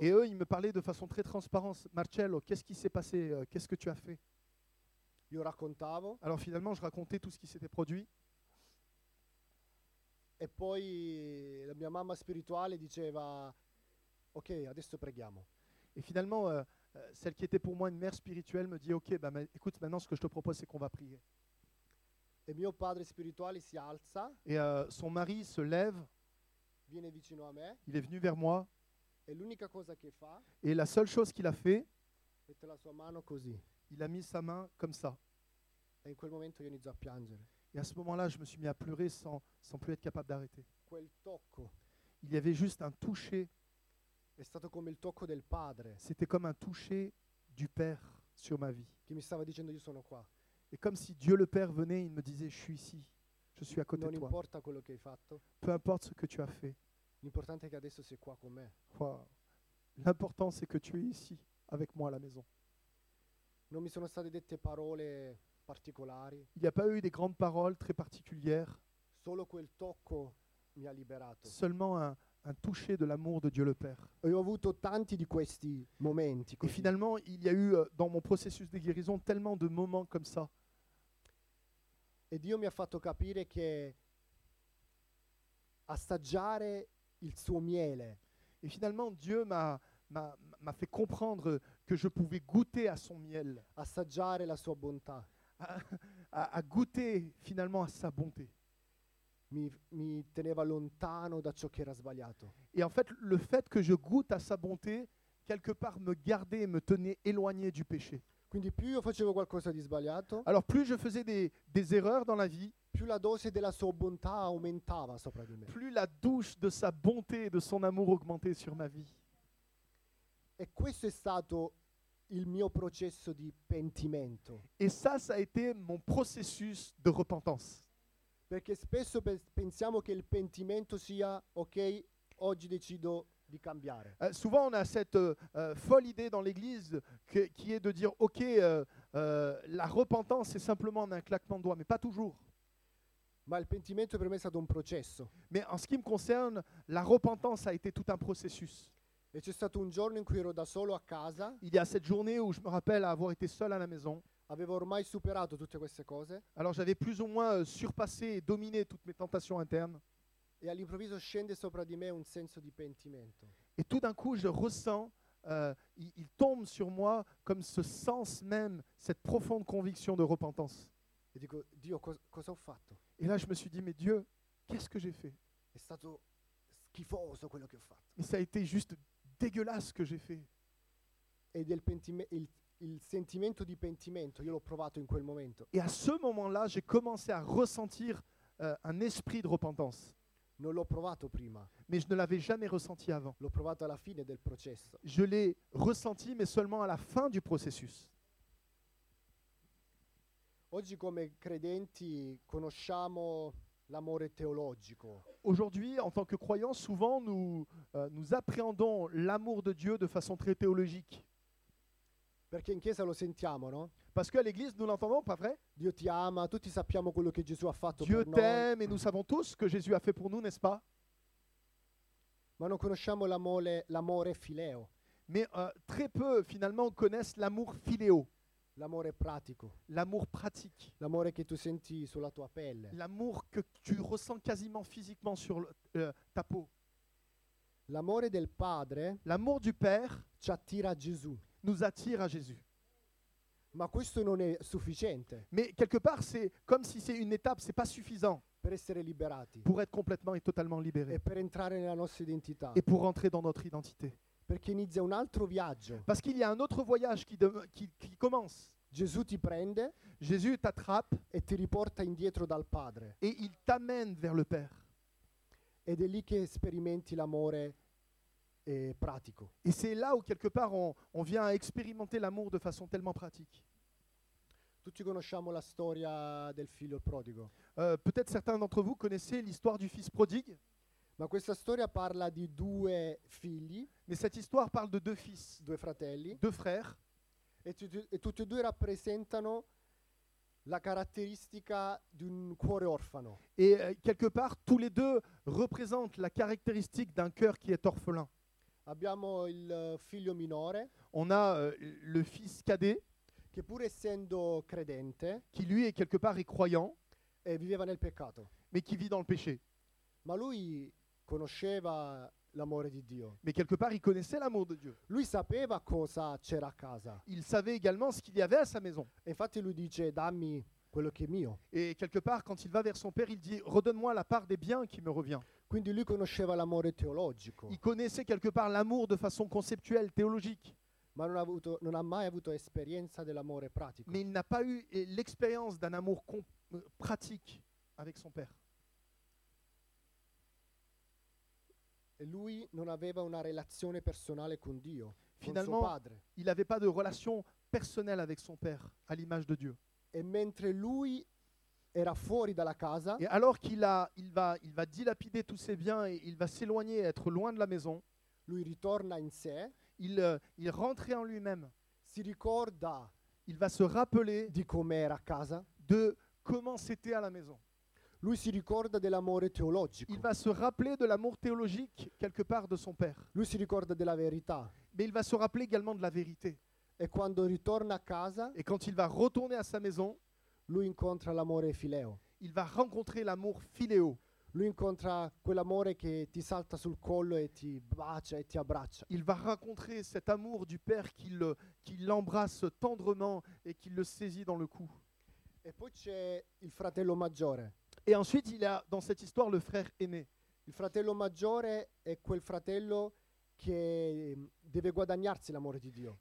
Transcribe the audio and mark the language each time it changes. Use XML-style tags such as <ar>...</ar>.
<fr>Et eux, ils me parlaient de façon très transparente. Marcello, qu'est-ce qui s'est passé? Qu'est-ce que tu as fait?</fr> <it>Io raccontavo.</it> <fr>Alors finalement, je racontais tout ce qui s'était produit.</fr> <it>E poi la mia mamma spirituale diceva, ok, adesso preghiamo.</it> <fr>Et finalement, celle qui était pour moi une mère spirituelle me dit, ok, écoute, maintenant ce que je te propose, c'est qu'on va prier.</fr> <it>E mio padre spirituale si alza.</it> <fr>Et son mari se lève.</fr> <it>Viene vicino a me.</it> <fr>Il est venu vers moi.</fr> <it>E l'unica cosa che fa,</it> <fr>et la seule chose qu'il a fait,</fr> <it>mette la sua mano così.</it> <fr>Il a mis sa main comme ça.</fr> <it>E in quel momento io inizio a piangere.</it> <fr>Et à ce moment-là, je me suis mis à pleurer sans plus être capable d'arrêter.</fr> <it>Quel tocco.</it> <fr>Il y avait juste un toucher.</fr> <it>È stato come il tocco del padre.</it> <fr>C'était comme un toucher du Père sur ma vie.</fr> <it>Che mi stava dicendo io sono qua.</it> <fr>Et comme si Dieu le Père venait, il me disait, je suis ici. Je suis à côté</fr> <it>non</it> <fr>de toi.</fr> <it>Importa quello che hai fatto.</it> <fr>Peu importe ce que tu as fait.</fr> <it>L'importante è che adesso sei qua con me. Wow.</it> <fr>L'important c'est que tu es ici avec moi à la maison.</fr> <it>Non mi sono state dette parole particolari.</it> <fr>Il n'y a pas eu des grandes paroles très particulières.</fr> <it>Solo quel tocco mi ha liberato.</it> <fr>Seulement un toucher de l'amour de Dieu le Père.</fr> <it>E ho avuto tanti di questi momenti così.</it> <fr>Et finalement, il y a eu dans mon processus de guérison tellement de moments comme ça.</fr> <it>E Dio mi ha fatto capire che assaggiare il suo miele.</it> <fr>Et finalement Dieu m'a fait comprendre que je pouvais goûter à son miel.</fr> <it>Assaggiare la sua bontà.</it> <fr>a goûter finalement à sa bonté.</fr> <it>Mi teneva lontano da ciò che era sbagliato.</it> <fr>Et en fait, le fait que je goûte à sa bonté, quelque part me gardait, me tenait éloigné du péché.</fr> <it>Quindi più io facevo qualcosa di sbagliato,</it> <fr>alors plus je faisais des erreurs dans la vie,</fr> <it>più la dose della sua bontà aumentava sopra di me.</it> <fr>Plus la douche de sa bonté et de son amour augmentait sur ma vie.</fr> <it>E questo è stato il mio processo di pentimento.</it> <fr>Et ça, ça a été mon processus de repentance.</fr> <it>Perché spesso pensiamo che il pentimento sia ok, oggi decido di cambiare.</it> <fr>Souvent on a cette folle idée dans l'église qui est de dire ok, la repentance c'est simplement un claquement de doigts, mais pas toujours.</fr> <it>Ma il pentimento per me è stato un processo.</it> <fr>Mais en ce qui me concerne, la repentance a été tout un processus.</fr> <it>E c'è stato un giorno in cui ero da solo a casa.</it> <fr>Il y a cette journée où je me rappelle avoir été seul à la maison.</fr> <it>Avevo ormai superato tutte queste cose.</it> <fr>Alors j'avais plus ou moins surpassé et dominé toutes mes tentations internes.</fr> <it>E all'improvviso scende sopra di me un senso di pentimento.</it> <fr>Et tout d'un coup je ressens, il tombe sur moi comme ce sens même, cette profonde conviction de repentance.</fr> <it>E dico, Dio, cosa ho fatto?</it> <fr>Et là je me suis dit, mais Dieu, qu'est-ce que j'ai fait?</fr> <it>È stato schifoso quello che ho fatto.</it> <fr>Et ça a été juste dégueulasse ce que j'ai fait.</fr> <it>E del pentimento, il sentimento di pentimento, io l'ho provato in quel momento.</it> <fr>Et à ce moment-là, j'ai commencé à ressentir un esprit de repentance.</fr> <it>Non l'ho provato prima.</it> <fr>Mais je ne l'avais jamais ressenti avant.</fr> <it>L'ho provato alla fine del processo.</it> <fr>Je l'ai ressenti, mais seulement à la fin du processus.</fr> <it>Oggi come credenti conosciamo l'amore teologico.</it> <fr>Aujourd'hui, en tant que croyants, souvent nous appréhendons l'amour de Dieu de façon très théologique.</fr> <it>Perché in chiesa lo sentiamo, no?</it> <fr>Parce qu'à l'église, nous l'entendons, pas vrai?</fr> <it>Dio ti ama, tutti sappiamo quello che Gesù ha fatto</it> <fr>Dieu</fr> <it>per noi.</it> <fr>T'aime et nous savons tous ce que Jésus a fait pour nous, n'est-ce pas?</fr> <it>Ma non conosciamo l'amore filéo.</it> <fr>Mais très peu, finalement, connaissent l'amour filéo.</fr> <it>L'amore pratico.</it> <fr>L'amour pratique.</fr> <it>L'amore che tu senti sulla tua pelle.</it> <fr>L'amour que tu ressens quasiment physiquement sur ta peau.</fr> <it>L'amore del padre.</it> <fr>L'amour du Père.</fr> <it>Ci attira a Gesù.</it> <fr>Nous attire à Jésus.</fr> <it>Ma questo non è sufficiente.</it> <fr>Mais quelque part, c'est comme si c'est une étape, c'est pas suffisant.</fr> <it>Per essere liberati.</it> <fr>Pour être complètement et totalement libéré.</fr> <it>E per entrare nella nostra identità.</it> <fr>Et pour rentrer dans notre identité.</fr> <it>Perché inizia un altro viaggio.</it> <fr>Parce qu'il y a un autre voyage qui commence.</fr> <it>Gesù ti prende.</it> <fr>Jésus t'attrape.</fr> <it>E ti riporta indietro dal Padre.</it> <fr>Et il t'amène vers le Père.</fr> <it>Ed è lì che sperimenti l'amore.</it> <fr>Et c'est là où quelque part on vient expérimenter l'amour de façon tellement pratique.</fr> <it>Tutti conosciamo la storia del figlio prodigo.</it> <fr>Peut-être certains d'entre vous connaissez l'histoire du fils prodigue.</fr> <it>Ma questa storia parla di due figli.</it> <fr>Mais cette histoire parle de deux fils.</fr> <it>Due fratelli.</it> <fr>Deux frères.</fr> <it>E tutti e due rappresentano la caratteristica di un cuore orfano.</it> <fr>Et quelque part tous les deux représentent la caractéristique d'un cœur qui est orphelin.</fr> <it>Abbiamo il figlio minore.</it> <fr>On a le fils cadet.</fr> <it>Che pur essendo credente.</it> <fr>Qui lui est quelque part est croyant.</fr> <it>E viveva nel peccato.</it> <fr>Mais qui vit dans le péché.</fr> <it>Ma lui conosceva l'amore di Dio.</it> <fr>Mais quelque part il connaissait l'amour de Dieu.</fr> <it>Lui sapeva cosa c'era a casa.</it> <fr>Il savait également ce qu'il y avait à sa maison.</fr> <it>E infatti lui dice dammi quello che è mio.</it> <fr>Et quelque part quand il va vers son père il dit redonne-moi la part des biens qui me revient.</fr> <it>Quindi lui conosceva l'amore teologico.</it> <fr>Il connaissait quelque part l'amour de façon conceptuelle, théologique.</fr> <it>Ma non ha mai avuto esperienza dell'amore pratico.</it> <fr>Mais il n'a pas eu l'expérience d'un amour pratique avec son père.</fr> <it>E lui non aveva una relazione personale con Dio,</it> <fr>finalement,</fr> <it>con suo padre.</it> <fr>Il n'avait pas de relation personnelle avec son père, à l'image de Dieu.</fr> <it>E mentre lui era fuori dalla casa.</it> <fr>Et alors qu'il a, il va dilapider tous ses biens et il va s'éloigner, être loin de la maison.</fr> <it>Lui ritorna in sé.</it> <fr>Il rentrait en lui-même.</fr> <it>Si ricorda.</it> <fr>Il va se rappeler.</fr> <it>Di com'era a casa.</it> <fr>De comment c'était à la maison.</fr> <it>Lui si ricorda dell'amore teologico.</it> <fr>Il va se rappeler de l'amour théologique quelque part de son père.</fr> <it>Lui si ricorda della verità.</it> <fr>Mais il va se rappeler également de la vérité.</fr> <it>E quando ritorna a casa.</it> <fr>Et quand il va retourner à sa maison.</fr> <it>Lui incontra l'amore filéo.</it> <fr>Il va rencontrer l'amour filéo.</fr> <it>Lui incontra quell'amore che ti salta sul collo e ti bacia e ti abbraccia.</it> <fr>Il va rencontrer cet amour du père qui l'embrasse tendrement et qui le saisit dans le cou. Et puis c'est</fr> <it>il fratello maggiore.</it> <fr>Et ensuite, il y a dans cette histoire le frère aîné.</fr> <it>Il fratello maggiore è quel fratello che deve guadagnarsi l'amore di Dio.</it>